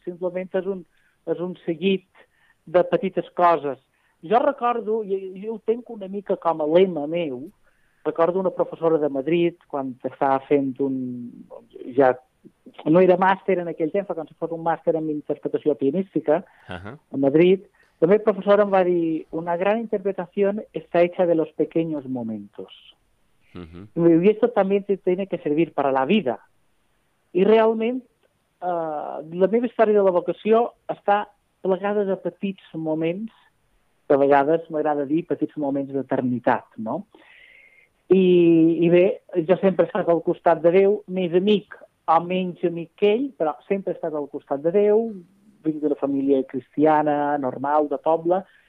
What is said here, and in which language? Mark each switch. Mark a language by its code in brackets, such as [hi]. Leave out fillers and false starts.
[ca] Simplement és un seguit de petites coses. Jo recordo, i ho tenc una mica com a lema meu, recordo una professora de Madrid quan estava fent un... Ja no era màster en aquell temps, però quan se fos un màster en interpretació pianística a Madrid, També el professor em va dir: [es] una gran interpretación está hecha de los pequeños momentos. Uh-huh. Y esto también te tiene que servir para la vida. [ca] I realment, la meva història de la vocació està plegada de petits moments, de vegades m'agrada dir petits moments d'eternitat, no? I bé, jo sempre he estat al costat de Déu, més amic o menys amic que ell, però sempre he estat al costat de Déu, vinc d'una família cristiana, normal, de poble,